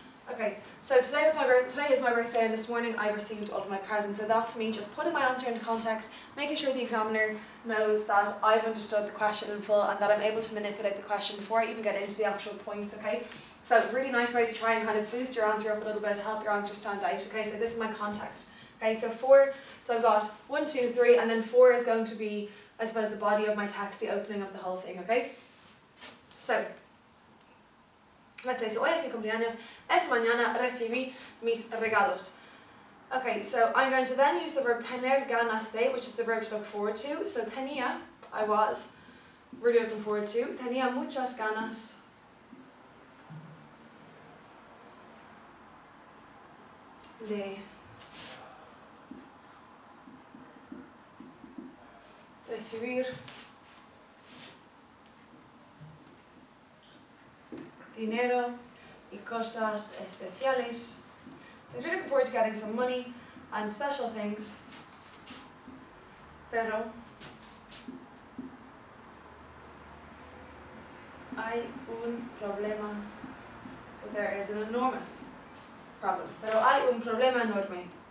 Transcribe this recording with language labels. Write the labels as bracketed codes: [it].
[en] Okay, so today is my birthday, and this morning I received all of my presents. So that's me just putting my answer into context, making sure the examiner knows that I've understood the question in full and that I'm able to manipulate the question before I even get into the actual points, okay? So really nice way to try and kind of boost your answer up a little bit to help your answer stand out, okay? So this is my context, okay? So four, so I've got one, two, three, and then four is going to be, I suppose, the body of my text, the opening of the whole thing, okay? So, let's say, so [es] hoy es mi cumpleaños, esta mañana recibí mis regalos. [en] Okay, so I'm going to then use the verb [es] tener ganas de, [en] which is the verb to look forward to. So tenía, I was really looking forward to. [es] Tenía muchas ganas de recibir dinero y cosas especiales. [en] So I was really looking forward to getting some money and special things, [es] pero hay un problema. [en] But there is an enormous problem. [es] Pero hay un problema enorme.